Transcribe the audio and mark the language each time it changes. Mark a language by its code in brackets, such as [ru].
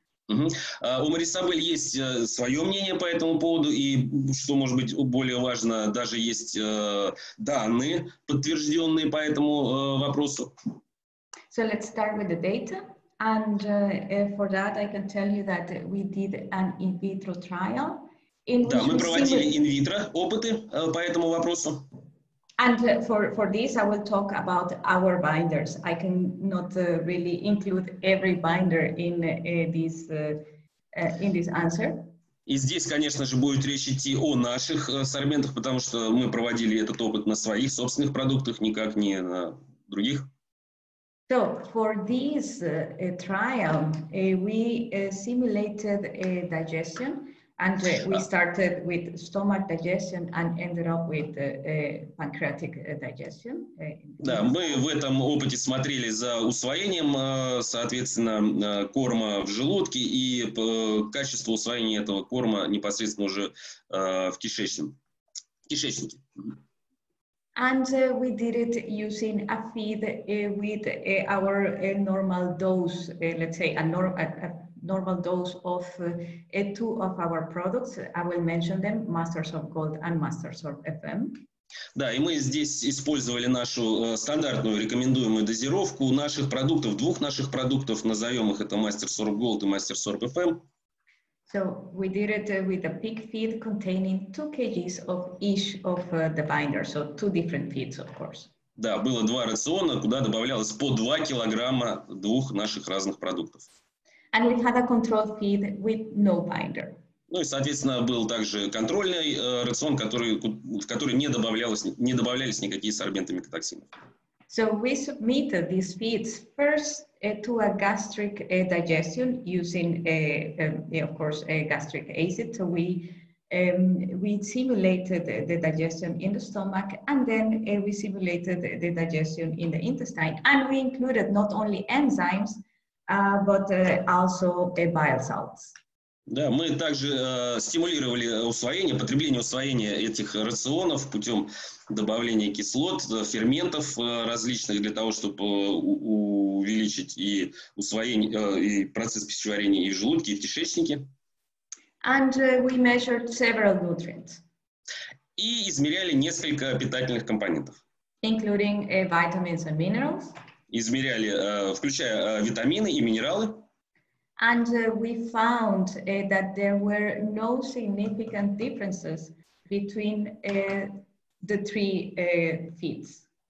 [ru] У Марисабель есть свое мнение по этому поводу, и, что может быть более важно, даже есть данные, подтвержденные по этому вопросу. [en] So let's start with the data, and for that I can tell you that we did an in vitro trial. [ru] Да, мы проводили in vitro опыты по этому вопросу. [en] And for this I will talk about our binders. I cannot really include every binder in this answer. [ru] И здесь, конечно же, будет речь идти о наших сорбентах, потому что мы проводили этот опыт на своих собственных продуктах, никак не на других. [en] So for this trial, we simulated a digestion, and we started with stomach digestion and ended up with pancreatic digestion. [ru] Да, мы в этом опыте смотрели за усвоением, соответственно, корма в желудке и качество усвоения этого корма непосредственно уже в кишечнике. [en] And we did it using a feed with our normal dose, let's say a normal dose of two of our products. I will mention them, Masters of Gold and Masters of FM. [ru] Да, и мы здесь использовали нашу стандартную рекомендуемую дозировку наших продуктов, двух наших продуктов, назовем их, это Masters of Gold и Masters of FM. [en] So we did it with a pig feed containing 2 kgs of each of the binder, so two different feeds, of course. [ru] Да, было два рациона, куда добавлялось по 2 килограмма двух наших разных продуктов. [en] And we had a control feed with no binder. [ru] Ну и, соответственно, был также контрольный рацион, в который не добавлялись никакие сорбенты микотоксинов. [en] So we submitted these feeds first to a gastric digestion using, a gastric acid. So we simulated the digestion in the stomach, and then we simulated the digestion in the intestine. And we included not only enzymes, but also bile salts. [ru] Да, мы также стимулировали усвоение, потребление усвоения этих рационов путем добавления кислот, ферментов различных для того, чтобы увеличить и усвоение, и процесс пищеварения и в желудке, и в кишечнике. [en] And we measured several nutrients. [ru] И измеряли несколько питательных компонентов. [en] Including vitamins and minerals. [ru] Измеряли, включая витамины и минералы. [en] And we found that there were no significant differences between the three feeds.